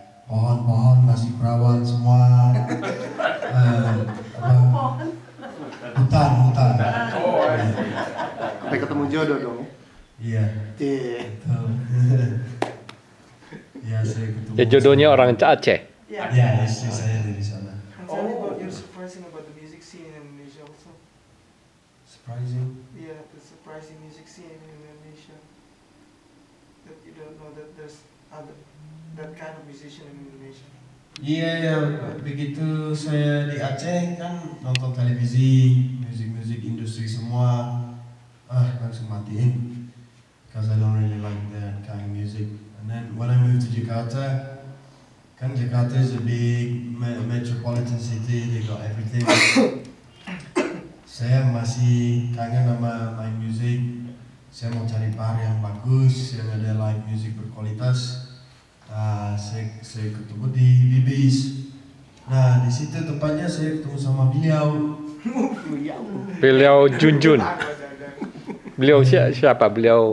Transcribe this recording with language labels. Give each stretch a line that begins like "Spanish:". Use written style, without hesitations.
Indonesian: Pohon-pohon masih perawan semua. Hutan. Sampai ketemu jodoh dong. Iya. Ya saya ketemu. Ya jodohnya orang Aceh. Iya. Ya istri saya dari sana.
English: Tell me about your surprising about the music scene in Indonesia also. Surprising? Yeah, the surprising music scene in Indonesia. That you don't know that there's other that kind of musician in Indonesia.
Indonesian: Iya, ya. Begitu saya di Aceh kan nonton televisi, musik-musik industri semua. Ah, langsung matiin.
English: Because I don't really like that kind of music. And then when I moved to Jakarta, kan Jakarta is a big metropolitan city, they got everything.
Indonesian: Saya masih kangen sama
English: my music.
Indonesian: Saya mau cari bar yang bagus, yang ada live music berkualitas. Saya ketemu di BB's. Nah, di situ tempatnya saya ketemu sama beliau. Beliau Junjun. Beliau siapa? Beliau